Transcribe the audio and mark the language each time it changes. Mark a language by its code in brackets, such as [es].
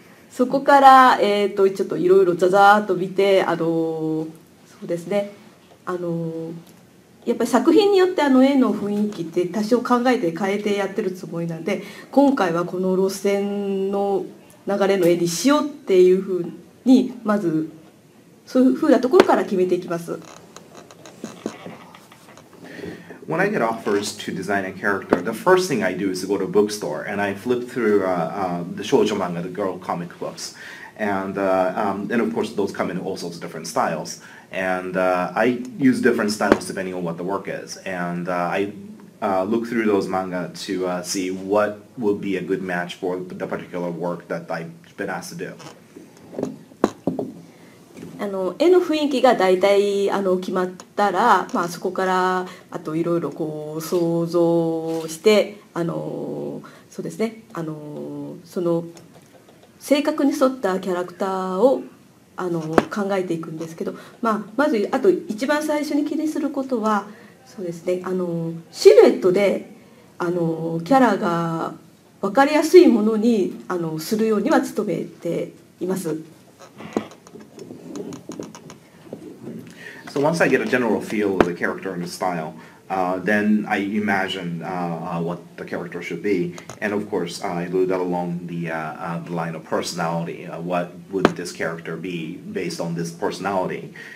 [ja] そこからちょっといろいろザザーっと見てそうですね、やっぱり作品によって絵の雰囲気って多少考えて変えてやってるつもりなんで今回はこの路線の流れの絵にしようっていうふうにまずそういうふうなところから決めていきます。 [en] When I get offers to design a character, the first thing I do is go to a bookstore and I flip through the shoujo manga, the girl comic books, and of course those come in all sorts of different styles, and I use different styles depending on what the work is, and I look through those manga to see what would be a good match for the particular work that I've been asked to do. [ja] あの絵の雰囲気が大体あの決まったら、まあ、そこからあといろいろこう想像してあのそうですねあのその性格に沿ったキャラクターをあの考えていくんですけど、まあ、まずあと一番最初に気にすることはそうですねあのシルエットであのキャラが分かりやすいものにあのするようには努めています。 [en] So once I get a general feel of the character and the style, then I imagine what the character should be. And of course, I do that along the line of personality. What would this character be based on this personality?